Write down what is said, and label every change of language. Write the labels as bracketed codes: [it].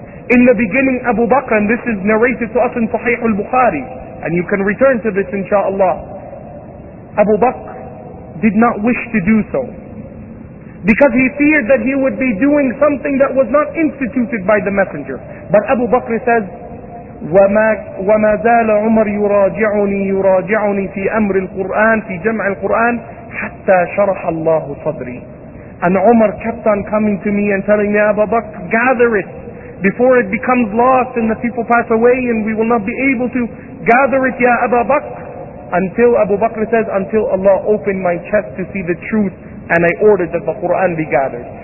[en] In the beginning, Abu Bakr, and this is narrated to us in Sahih al-Bukhari, and you can return to this inshaAllah, Abu Bakr did not wish to do so, because he feared that he would be doing something that was not instituted by the Messenger. But Abu Bakr says, [ar] وَمَا زَالَ عُمَرْ يُرَاجِعُنِي فِي أَمْرِ الْقُرْآنِ فِي جَمْعِ الْقُرْآنِ حَتَّى شَرَحَ اللَّهُ صَدْرِي. [en] And Umar kept on coming to me and telling me, Abu Bakr, gather it before it becomes lost and the people pass away and we will not be able to gather it, Ya Abu Bakr. Until Abu Bakr says, until Allah opened my chest to see the truth and I ordered that the Qur'an be gathered.